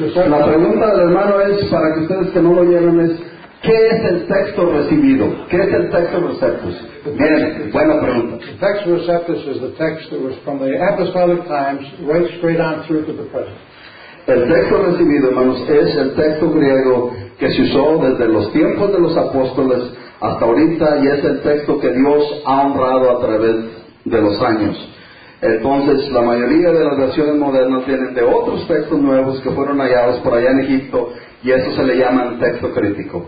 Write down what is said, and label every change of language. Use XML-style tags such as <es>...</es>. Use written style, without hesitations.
<es>La pregunta del hermano es, para que ustedes que no lo oyeron, es, ¿qué es el texto recibido? ¿Qué es el texto receptus? Bien, buena pregunta.</es> <en>The text receptus is the text that was from the apostolic times, right straight on through to the present.</en> <es>El texto recibido, hermanos, es el texto griego que se usó desde los tiempos de los apóstoles hasta ahorita, y es el texto que Dios ha honrado a través de los años. Entonces, la mayoría de las versiones modernas vienen de otros textos nuevos que fueron hallados por allá en Egipto, y eso se le llama el texto crítico.</es>